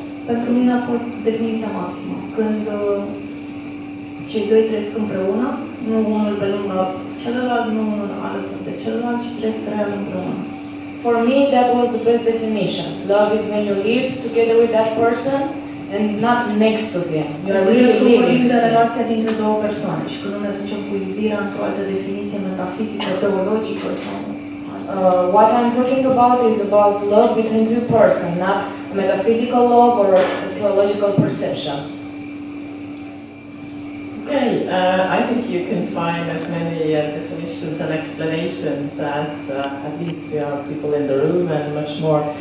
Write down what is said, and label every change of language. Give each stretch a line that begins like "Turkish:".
Romanian: Pentru mine a fost definiția maximă. Când cei doi trăiesc împreună, nu unul pe lângă celălalt, nu unul alături de celălalt, ci trăiesc real împreună.
English: For me, that was the best definition. Love is when you live together with that person and not next to them. You are really living.
Romanian: Vorbim de relația dintre două persoane și când ne ducem cu iubirea într-o altă definiție metafizică, teologică sau...
English: What I'm talking about is about love between two persons, not a metaphysical love or a theological perception. Okay, I think you can find as many definitions and explanations as at least there are people in the room and much more.